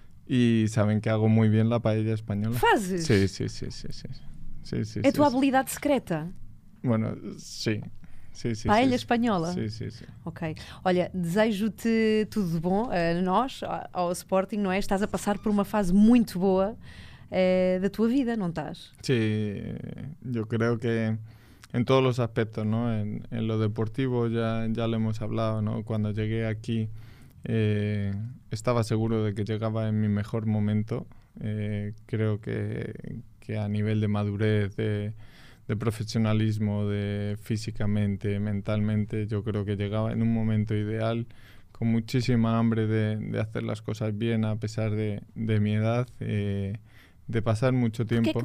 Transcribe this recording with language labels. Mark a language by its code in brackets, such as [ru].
[es] Y saben que hago muy bien la paella española. ¿Fases? Sí, sí, sí, sí, sí. Sí, sí, ¿es tu habilidad secreta? Bueno, sí. Sí, sí, paella sí, española. Sí, sí, sí. Ok. [pt] Olha, desejo-te tudo de bom a nós, ao Sporting, não é? Estás a passar por uma fase muito boa da tua vida, não estás? [es] Sí, [pt] eu [es] creo que en todos os aspectos, ¿no? En lo deportivo ya lo hemos hablado, ¿no? Cuando llegué aquí... estaba seguro de que llegaba en mi mejor momento. Creo que a nivel de madurez, de profesionalismo, de físicamente, mentalmente, yo creo que llegaba en un momento ideal, con muchísima hambre de hacer las cosas bien a pesar de mi edad, de pasar mucho tiempo.